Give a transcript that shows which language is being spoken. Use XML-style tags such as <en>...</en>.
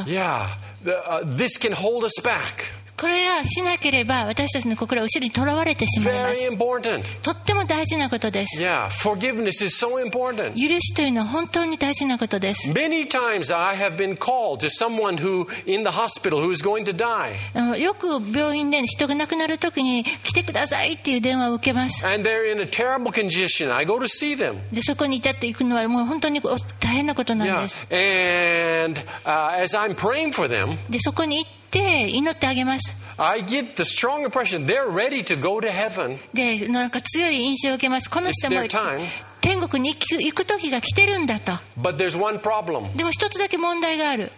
<en>Yeah, this can hold us back.</en> <ja>これがしなければ私たちの心は後ろにとらわれてしまいます。</ja> <en>Very important.</en> <ja>とっても大事なことです。</ja> <en>Yeah, forgiveness is so important.</en> <ja>許しというのは本当に大事なことです。</ja> <en>Many times I have been called to someone who in the hospital who is going to die.</en> <ja>よく病院で人が亡くなるときに来てくださいっていう電話を受けます。</ja> <en>And they're in a terrible condition. I go to see them.</en> <ja>でそこに至って行くのはもう本当に大変なことなんです。</ja> <en>Yeah. And as I'm praying for them.</en> <ja>でそこに行って祈ってあげます。</ja> <en>I get the strong impression they're ready to go to heaven.</en> <ja>で、なんか強い印象を受けます。この人も天国に行く時が来てるんだと。</ja> <en>But there's one problem.</en> <ja>でも一つだけ問題がある。</ja>